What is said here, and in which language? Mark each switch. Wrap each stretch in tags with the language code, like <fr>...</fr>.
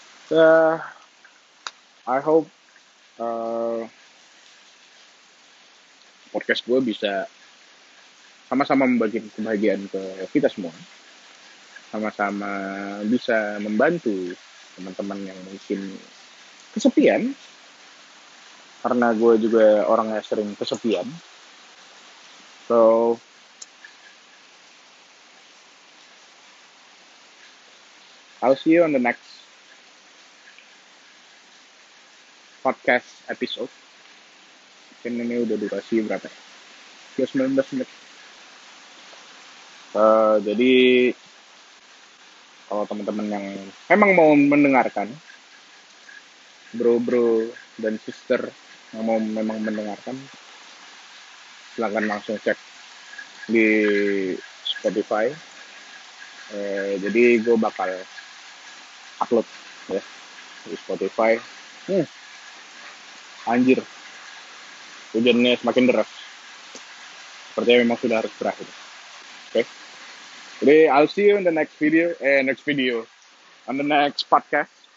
<id>So, I hope podcast gue bisa sama-sama membagi kebahagiaan ke kita semua, sama-sama bisa membantu teman-teman yang mungkin kesepian, karena gue juga orangnya sering kesepian.</id> <en>So I'll see you on the next podcast episode.</en> <id>Mungkin ini udah durasi berapa ya? 19 menit. Jadi kalau teman-teman yang emang mau mendengarkan, bro-bro dan sister yang mau memang mendengarkan, silakan langsung cek di Spotify. Jadi gue bakal upload ya di Spotify. Anjir, hujannya semakin deras. Sepertinya memang sudah harus berakhir. Okay.</id> <en>Jadi I'll see you in the next video, on the next podcast.</en>